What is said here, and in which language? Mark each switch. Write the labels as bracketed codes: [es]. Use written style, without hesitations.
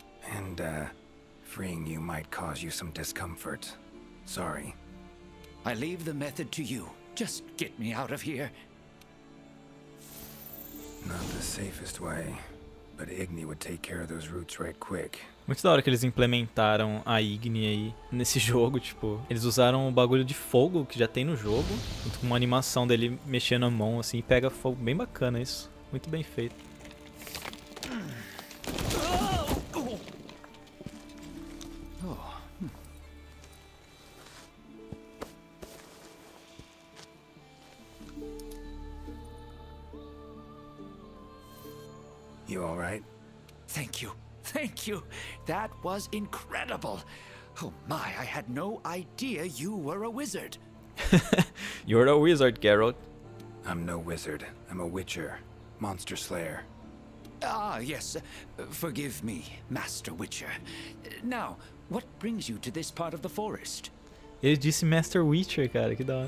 [en] And, freeing you might cause you some discomfort. Sorry. I leave the method to you. Just get me out of here. Not the safest way, but Igni would take care of those roots right quick. [pt] Muito da hora que eles implementaram a Igni aí nesse jogo, tipo, eles usaram o bagulho de fogo que já tem no jogo, junto com uma animação dele mexendo a mão assim, e pega fogo, bem bacana isso, muito bem feito. [en] You all right? Thank you. Thank you. That was incredible. Oh my, I had no idea you were a wizard. You're a wizard, Geralt. I'm no wizard. I'm a witcher. Monster slayer. Ah, yes. Forgive me, Master Witcher. Now, what brings you to this part of the forest? [pt] Ele disse Master Witcher, cara, que da hora.